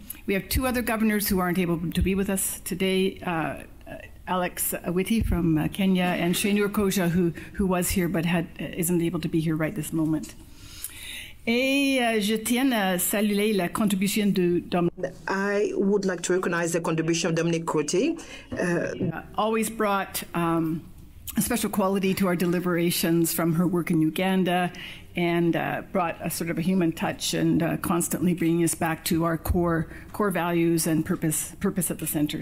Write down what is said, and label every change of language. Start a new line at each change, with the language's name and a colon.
English: We have two other governors who aren't able to be with us today, Alex Awiti from Kenya, and Shainur Koja, who was here but isn't able to be here right this moment.
French: Et je tiens à saluer la contribution de Dominique.
English: I would like to recognize the contribution of Dominique Crotty. Always brought a special quality to our deliberations from her work in Uganda, and brought a sort of a human touch, and constantly bringing us back to our core values and purpose at the center.